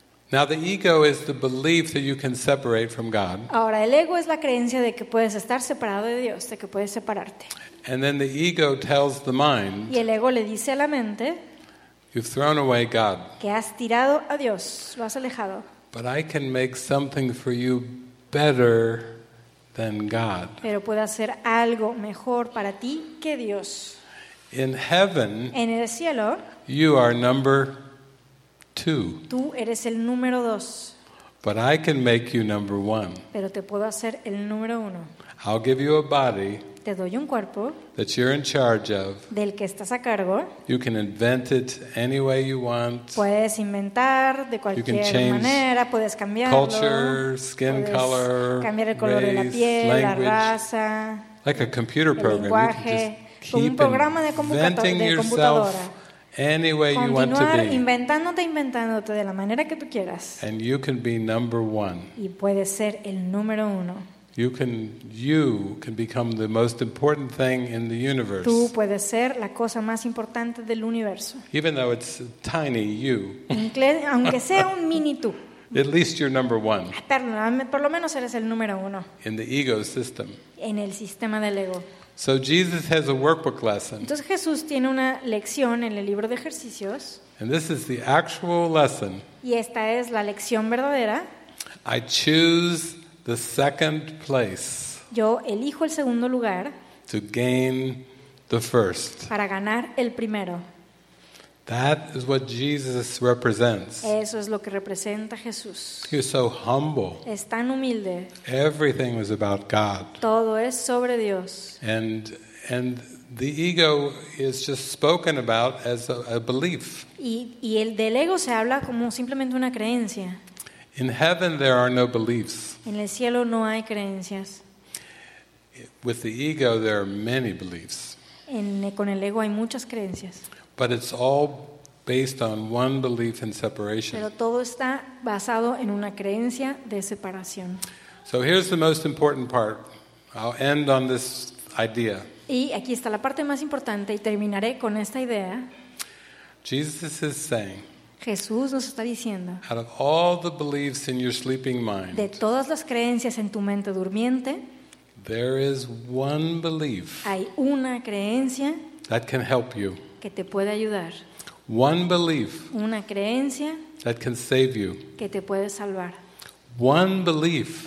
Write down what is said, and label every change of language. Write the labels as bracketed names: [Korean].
[English] Now the ego is the belief that you can separate from God. [Spanish] Ahora el ego es la creencia de que puedes estar separado de Dios, de que puedes separarte. [English] And then the ego tells the mind. [Spanish] Y el ego le dice a la mente. [English] You've thrown away God. [Spanish] Que has tirado a Dios, lo has alejado. [English] But I can make something for you better than God. [Spanish] Pero puedo hacer algo mejor para ti que Dios. [English] In heaven. [Spanish] En el cielo. [English] You are number 2. [Spanish] Tú eres el número 2. [English] But I can make you number 1. [Spanish] Pero te puedo hacer el número 1. [English] I'll give you a body. [Spanish] Te doy un cuerpo [English] that you're in charge of, [Spanish] del que estás a cargo. [English] You can invent it any way you want. [Spanish] Puedes inventar de cualquier manera, puedes cambiarlo. [English] Culture, skin color, [Spanish] cambiar el color, [English] race, [Spanish] de la piel, [English] language, [Spanish] la raza. [English] Like a computer program. [Spanish] El lenguaje, [English] you can just keep de inventing yourself any way you want to be. [Spanish] Continuar inventándote de la manera que tú quieras. [English] And you can be number 1. [Spanish] Y puedes ser el número 1. [English] You can become the most important thing in the universe. [Spanish] Tú puedes ser la cosa más importante del universo. [English] Even though it's a tiny you. [Spanish] Aunque sea un mini tú. [English] At least you're number 1. [Spanish] Por lo menos eres el número 1. [English] In the ego system. [Spanish] En el sistema del ego. [English] So Jesus has a workbook lesson. [Spanish] Entonces Jesús tiene una lección en el libro de ejercicios. [English] And this is the actual lesson. [Spanish] Y esta es la lección verdadera. [English] I choose the second place. [Spanish] Yo elijo el segundo lugar. [English] To gain the first. [Spanish] Para ganar el primero. [English] That is what Jesus represents. [Spanish] Eso es lo que representa Jesús. [English] He is so humble. [Spanish] Es tan humilde. [English] Everything was about God. [Spanish] Todo es sobre Dios. [English] And the ego is just spoken about as a belief. [Spanish] Y el del ego se habla como simplemente una creencia. [English] In heaven there are no beliefs. [Spanish] En el cielo no hay creencias. [English] With the ego there are many beliefs. [Spanish] Con el ego hay muchas creencias. [English] But it's all based on one belief in separation. [Spanish] Pero todo está basado en una creencia de separación. [English] So here's the most important part. I'll end on this idea. [Spanish] Y aquí está la parte más importante y terminaré con esta idea. [English] Jesus is saying. [Spanish] Jesús nos está diciendo. [English] Out of all the beliefs in your sleeping mind. [Spanish] De todas las creencias en tu mente durmiente. [English] There is one belief. [Spanish] Hay una creencia. [English] That can help you. [Spanish] Que te puede ayudar. [English] One belief. [Spanish] Una creencia. [English] That can save you. [Spanish] Que te puede salvar. [English] One belief.